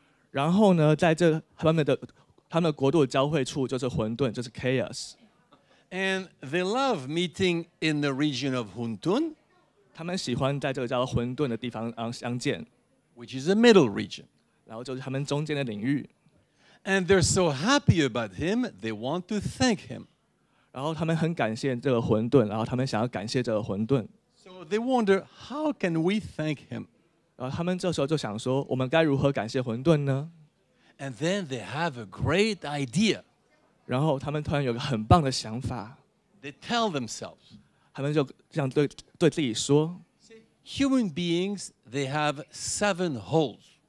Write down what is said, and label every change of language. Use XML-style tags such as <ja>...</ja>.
<zh>然后呢,在这他们的国度交汇处就是混沌,就是 chaos.</zh> <en>And they love meeting in the region of Hun Tun.</en> <zh>他们喜欢在这个叫混沌的地方相见.</zh> <en>Which is the middle region.</en> <zh>然后就是他们中间的领域.</zh> <en>And they're so happy about him, they want to thank him.</en> <zh>然后他们很感谢这个混沌,然后他们想要感谢这个混沌.</zh> <en>So they wonder, how can we thank him?</en> <zh>然后他们这时候就想说,我们该如何感谢混沌呢?</zh> <en>And then they have a great idea.</en> <zh>然后他们突然有个很棒的想法.</zh> <en>They tell themselves.</en> <zh>他们就这样对自己说.</zh> <en>Human beings, they have seven holes.</en>